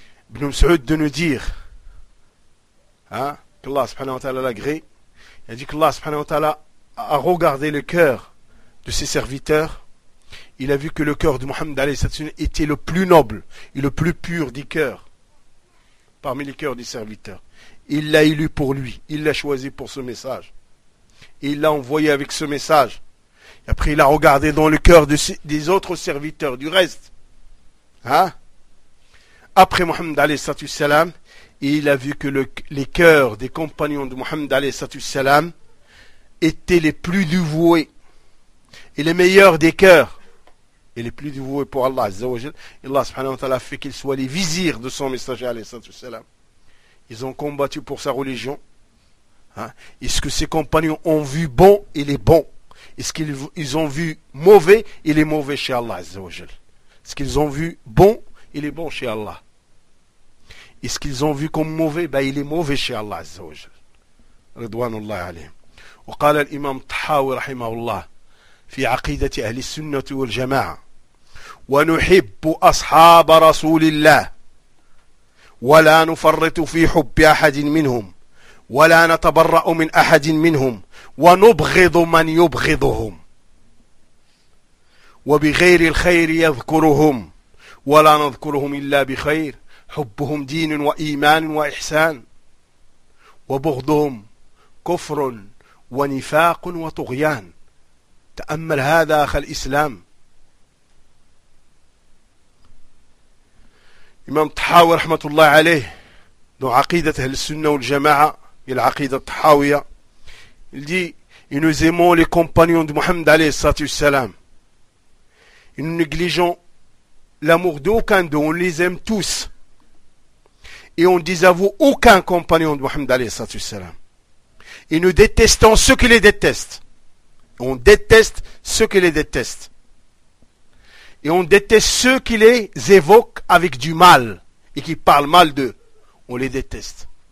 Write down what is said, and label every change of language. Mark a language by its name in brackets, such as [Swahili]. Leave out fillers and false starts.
[French] ابن مسعود de nous dire que Allah subhanahu wa ta'ala l'agré il a dit que Allah subhanahu wa ta'ala a regardé le cœur de ses serviteurs Il a vu que le cœur de Mohammed alayhi salatu wasallam était le plus noble et le plus pur des cœurs parmi les cœurs des serviteurs. Il l'a élu pour lui, il l'a choisi pour ce message. Et il l'a envoyé avec ce message. Et après, il a regardé dans le cœur des autres serviteurs, du reste. Hein? Après Mohammed alayhi salatu wasallam, il a vu que les cœurs des compagnons de Mohammed alayhi salatu wasallam étaient les plus dévoués et les meilleurs des cœurs. Et les plus dévoués pour Allah, Azza wa Jal, Allah subhanahu wa ta'ala fait qu'ils soient les vizirs de son messager, alayhi salatu wa salam. Ils ont combattu pour sa religion. Hein? Est-ce que ses compagnons ont vu bon? Il est bon. Est-ce qu'ils ont vu mauvais? Il est mauvais chez Allah. Azzawajal. Est-ce qu'ils ont vu bon? Il est bon chez Allah. Est-ce qu'ils ont vu comme mauvais? Ben, il est mauvais chez Allah. Azzawajal. Ridwanullah alayhim. [Arabic] وقال الإمام الطحاوي رحمه الله في عقيدة أهل السنة والجماعة ونحب أصحاب رسول الله ولا نفرط في حب أحد منهم ولا نتبرأ من أحد منهم ونبغض من يبغضهم وبغير الخير يذكرهم ولا نذكرهم إلا بخير حبهم دين وإيمان وإحسان وبغضهم كفر ونفاق وطغيان. تأمل هذا أخ الإسلام. إمام الطحاوي رحمة الله عليه دو عقيدة أهل السنة والجماعة العقيدة الطحاوية [French] il dit nous aimons les compagnons de Mohammed عليه الصلاة والسلام et nous négligeons l'amour d'aucun d'eux. On les aime tous et on désavoue aucun compagnon de Mohammed عليه الصلاة والسلام. Et nous détestons ceux qui les détestent. On déteste ceux qui les détestent. Et on déteste ceux qui les évoquent avec du mal et qui parlent mal d'eux. On les déteste.